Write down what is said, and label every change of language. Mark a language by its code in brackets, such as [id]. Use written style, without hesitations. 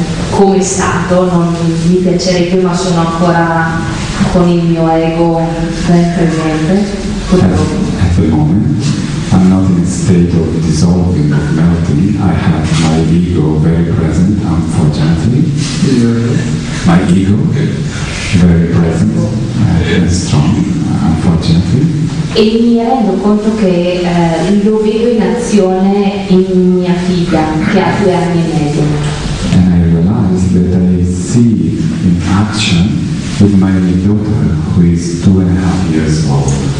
[it] Come è stato, non mi piacerebbe, ma sono ancora con il mio ego ben presente. [en] At the moment, I'm not in a state of dissolving or melting. I have my ego very present, unfortunately. My ego very present and strong, unfortunately. [it] E mi rendo conto che lo vedo in azione in mia figlia, che ha 2 anni e mezzo. [en] That I see in action with my daughter who is 2.5 years old.